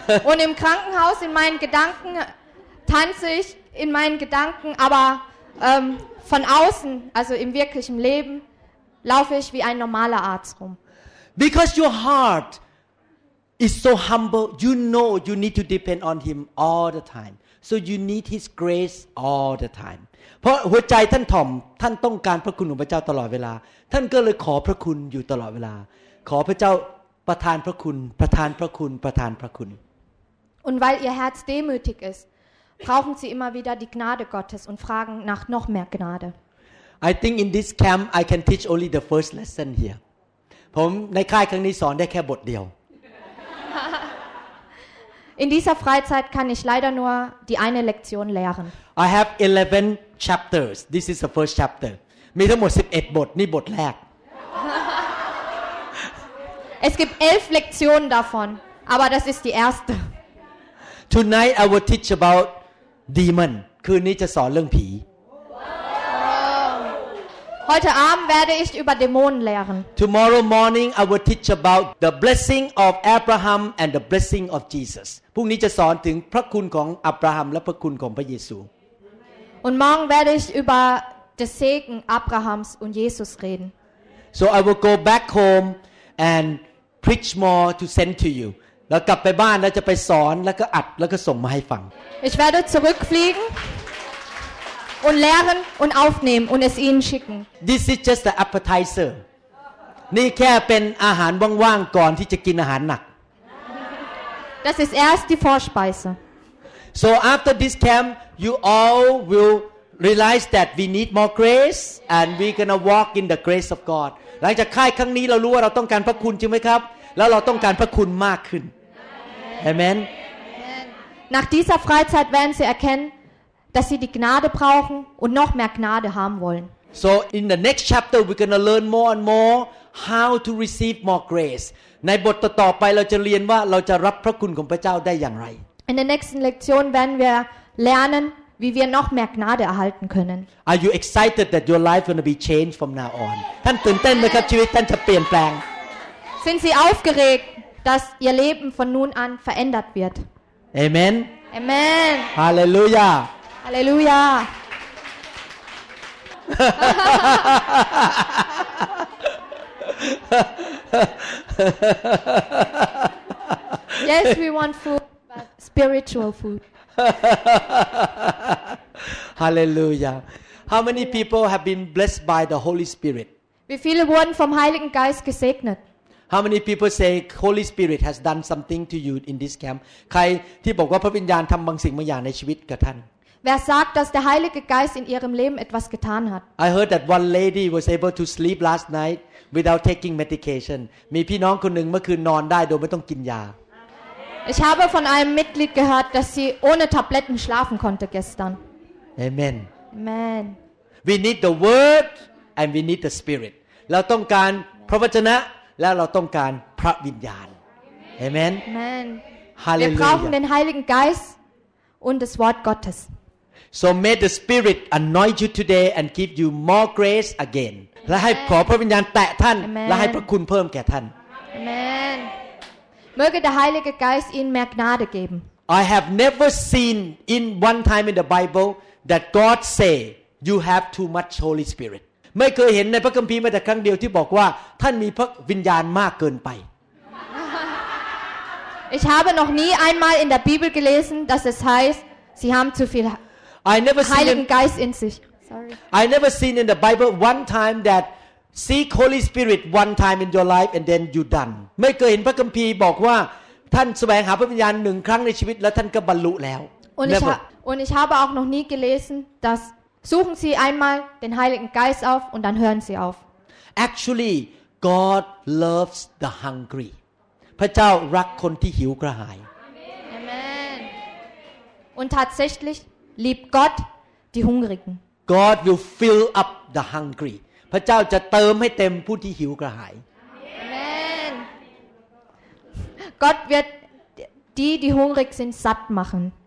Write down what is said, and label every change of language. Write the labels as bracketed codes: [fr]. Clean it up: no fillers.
[de] Und im Krankenhaus in meinen Gedanken tanze ich in meinen Gedanken, aberVon außen, also im wirklichen Leben, laufe ich wie ein normaler Arzt rum. [en] Because your heart is so humble, you know you need to depend on him all the time. So you need his grace all the time. [th] เพราะหัวใจท่านถ่อมท่านต้องการพระคุณของพระเจ้าตลอดเวลาท่านก็เลยขอพระคุณอยู่ตลอดเวลาขอพระเจ้าประทานพระคุณประทานพระคุณประทานพระคุณ [de] Und weil ihr Herz demütig istBrauchen Sie immer wieder die Gnade Gottes und fragen nach noch mehr Gnade. [en] I think in this camp I can teach only the first lesson here. [th] ผมในค่ายครั้งนี้สอนได้แค่บทเดียว [de] In dieser Freizeit kann ich leider nur die eine Lektion lehren. [en] I have 11 chapters. This is the first chapter. [th] มีทั้งหมด11บทนี่บทแรก [de] Es gibt 11 Lektionen davon, aber das ist die erste. [en] Tonight I will teach aboutDemon [th] คืนนี้จะสอนเรื่องผี [de] Heute Abend werde ich über Dämonen lehren. [en] Tomorrow morning I will teach about the blessing of Abraham and the blessing of Jesus. [th] พรุ่งนี้จะสอนถึงพระคุณของอับราฮัมและพระคุณของพระเยซู [de] Und morgen werde ich über das Segen Abrahams und Jesus reden. [en] So I will go back home and preach more to send to you [th] แล้วกลับไปบ้านแล้วจะไปสอนแล้วก็อัดแล้วก็ส่งมาให้ฟัง [de] Ich werde zurückfliegen und lehren und aufnehmen und es Ihnen schicken. [en] This is just the appetizer. [th] นี่แค่เป็นอาหารว่างๆก่อนที่จะกินอาหารหนัก [de] Das ist erst die Vorspeise. [en] So after this camp, you all will realize that we need more grace and we're gonna walk in the grace of God. [th] หลังจากค่ายครั้งนี้เรารู้ว่าเราต้องการพระคุณจริงไหมครับแล้วเราต้องการพระคุณมากขึ้น Amen. [de] Nach dieser Freizeit werden Sie erkennen, dass Sie die Gnade brauchen und noch mehr Gnade haben wollen. [en] So in the next chapter we're going to learn more and more how to receive more grace. [th] ในบทต่อไปเราจะเรียนว่าเราจะรับพระคุณของพระเจ้าได้อย่างไร [en] In the next [de] lektion werden wir lernen, wie wir noch mehr Gnade erhalten können. [en] Are you excited that your life going to be changed from now on? [th] ท่านตื่นเต้นมั้ยครับชีวิตท่านจะเปลี่ยนแปลง [de] Sind Sie aufgeregt, dass Ihr Leben von nun an verändert wird? [en] Amen. Amen. Halleluja. Halleluja. Yes, we want food, but spiritual food. Halleluja. How many people have been blessed by the Holy Spirit? [de] Wie viele wurden vom Heiligen Geist gesegnet? [en] How many people say Holy Spirit has done something to you in this camp? [th] ใครที่บอกว่าพระวิญญาณทำบางสิ่งบางอย่างในชีวิตกับท่าน [de] Wer sagt, dass der Heilige Geist in ihrem Leben etwas getan hat? [en] I heard that one lady was able to sleep last night without taking medication. [th] มีพี่น้องคนหนึ่งเมื่อคืนนอนได้โดยไม่ต้องกินยา [de] Ich habe von einem Mitglied gehört, dass sie ohne Tabletten schlafen konnte gestern. [en] Amen. Amen. We need the Word and we need the Spirit. [th] เราต้องการพระวจนะแล้วเราต้องการพระวิญญาณ Amen. [en] Amen. Hallelujah. [de] Wir brauchen den Heiligen Geist und das Wort Gottes. [en] So may the Spirit anoint you today and give you more grace again. [th] และให้ขอพระวิญญาณแตะท่านและให้พระคุณเพิ่มแก่ท่าน Amen. [de] Möge der Heilige Geist Ihnen mehr Gnade geben. [en] I have never seen in one time in the Bible that God say you have too much Holy Spirit. [th] ไม่เคยเห็นในพระคัมภีร์แม้แต่ครั้งเดียวที่บอกว่าท่านมีพระวิญญาณมากเกินไป [de] Ich habe noch nie einmal in der Bibel gelesen, dass es heißt, Sie haben zu viel Heiligen Geist in sich. [en] Sorry. I never seen in the Bible one time that seek Holy Spirit one time in your life and then you done. [th] ไม่เคยเห็นพระคัมภีร์บอกว่าท่านแสวงหาพระวิญญาณ1ครั้งในชีวิตแล้วท่านก็บรรลุแล้ว [de] Und ich habe auch noch nie gelesen, dass suchen Sie einmal den Heiligen Geist auf und dann hören Sie auf. [en] Actually, God loves the hungry. [th] พระเจ้ารักคนที่หิวกระหาย Amen. [de] Und tatsächlich liebt Gott die Hungrigen. [en] God will fill up the hungry. [th] พระเจ้าจะเติมให้เต็มผู้ที่หิวกระหาย Amen. [de] Gott wird die hungrig sind satt machen.